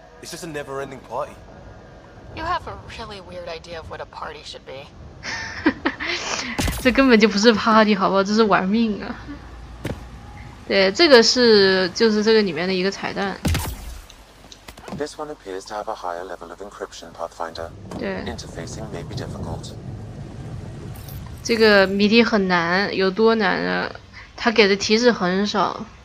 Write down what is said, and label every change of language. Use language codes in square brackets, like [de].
[en] It's just a never-ending party. You have a really weird idea of what a party should be. [zh] 这根本就不是 party 好不好，这是玩命啊。对，这个是就是这个里面的一个彩蛋。 [en] This one appears to have a higher level of encryption, Pathfinder. [zh] 对。 [en] Interfacing may be difficult. [zh] 这个谜题很难，有多难啊，他给的提示很少。